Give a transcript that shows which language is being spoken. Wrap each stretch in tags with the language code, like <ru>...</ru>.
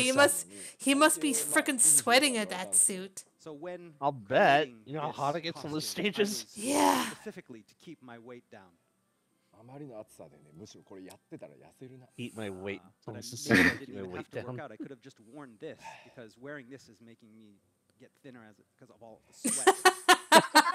<en>He must be freaking sweating at that suit. So when I'll bet. You know how hot it gets on the stages? Yeah. Specifically to keep my weight down.</en> <ja>あまりの暑さでね、むしろこれやってたら痩せるな。</ja> <en>Eat my weight. I could have just worn this because wearing this is making me get thinner as it, because of all the sweat.</en>